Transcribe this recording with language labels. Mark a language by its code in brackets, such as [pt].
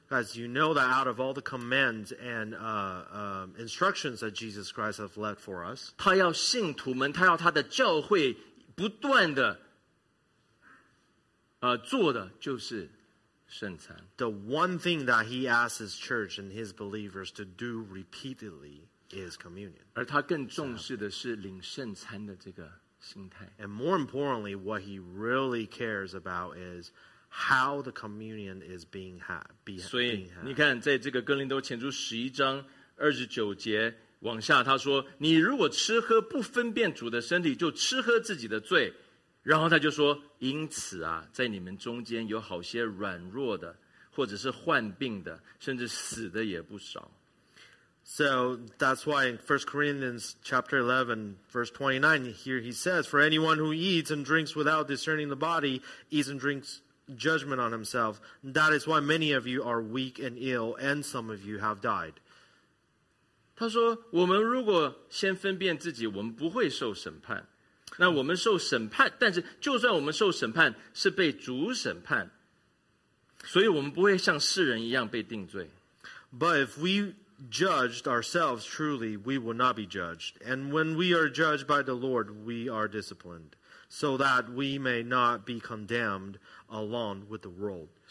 [en] as you know that out of all the commands and instructions that Jesus Christ has left for us, [zh] 他要信徒们,他要他的教会不断的做的就是圣餐。 [en] The one thing that he asks his church and his believers to do repeatedly is communion. [zh] 而他更重视的是领圣餐的这个心态。 [en] And more importantly, what he really cares about is how the communion is being had. [zh] 所以你看在这个哥林多前书十一章二十九节往下他说，你如果吃喝不分辨主的身体，就吃喝自己的罪。然后他就说，因此啊，在你们中间有好些软弱的，或者是患病的，甚至死的也不少。 [en] So that's why in 1 Corinthians chapter 11, verse 29, here he says, "For anyone who eats and drinks without discerning the body eats and drinks judgment on himself. That is why many of you are weak and ill, and some of you have died." [zh] 他说我们如果先分辨自己我们不会受审判那我们受审判但是就算我们受审判是被主审判所以我们不会像世人一样被定罪 [en] But if we judged ourselves truly, we will not be judged. And when we are judged by the Lord, we are disciplined, so that we may not be condemned along with the world.